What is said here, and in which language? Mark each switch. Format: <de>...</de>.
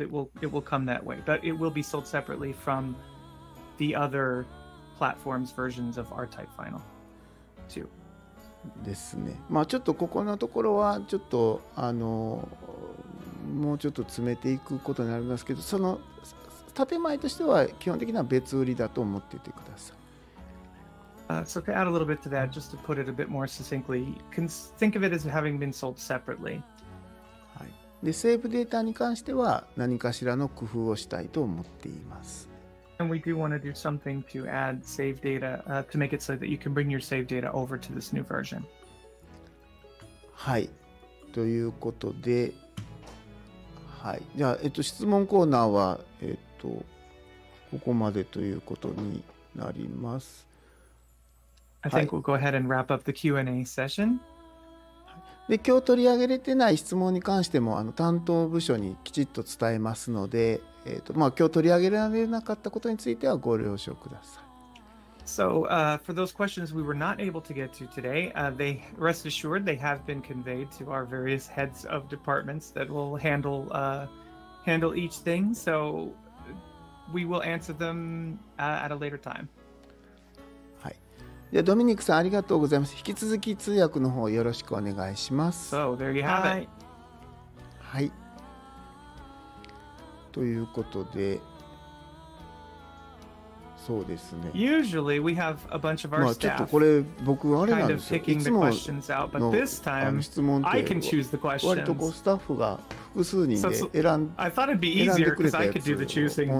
<en>It will come that way, but it will be sold separately from the other platforms versions of R-Type Final.</en> <ja>ですね、まあちょっとここのところはちょっともうちょっと詰めていくことになりますけど、その建前としては基本的には別売りだと思っていてください</ja> <en>So to add a little bit to that, just to put it a bit more succinctly, can think of it as having been sold separately.</en> <ja>はい。で、セーブデータに関しては何かしらの工夫をしたいと思っています。</ja> <en>And we do want to do something to add save data, to make it so that you can bring your save data over to this new version.</en> <ja>はい。ということで、はい。じゃあ、質問コーナーは、ここまでということになります。</ja> <en>I think we'll go ahead and wrap up the Q&A session.</en> <ja>で、今日取り上げれてない質問に関しても、担当部署にきちっと伝えますので、今日取り上げられなかったことについてはご了承ください。</ja> <en>So, for those questions we were not able to get to today, they rest assured they have been conveyed to our various heads of departments that will handle, handle each thing. So, we will answer them, at a later time.</en> <ja>はい。じゃあ、ドミニクさんありがとうございます。引き続き通訳の方よろしくお願いします。</ja> <en>So, there you have it.</en> <ja>はい。ということで、そうですね。</ja> <en>Usually we have a bunch of our staff.</en> <ja>ちょっとこれ僕あれなんですよ。いつもの質問って、</ja> <en>I can choose the questions.</en> <ja>割とこうスタッフが複数人で選んで、</ja> <en>I thought it'd be easier because I could do the choosing, but</en>